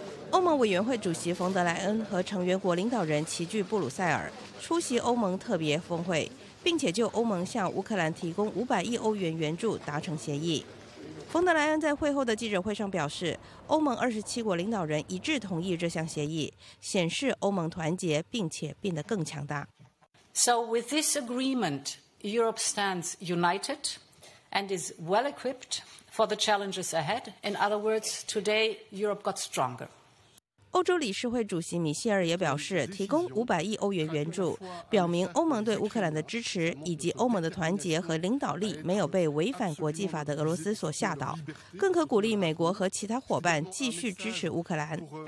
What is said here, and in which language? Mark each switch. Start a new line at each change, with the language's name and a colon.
Chinese: 欧盟委员会主席冯德莱恩和成员国领导人齐聚布鲁塞尔，出席欧盟特别峰会，并且就欧盟向乌克兰提供500亿欧元援助达成协议。冯德莱恩在会后的记者会上表示，欧盟27国领导人一致同意这项协议，显示欧盟团结并且变得更强大。
English: So with this agreement, Europe stands united and is well equipped for the challenges ahead. In other words, today Europe got stronger.
Chinese: 欧洲理事会主席米歇尔也表示，提供500亿欧元援助，表明欧盟对乌克兰的支持以及欧盟的团结和领导力没有被违反国际法的俄罗斯所吓倒，更可鼓励美国和其他伙伴继续支持乌克兰。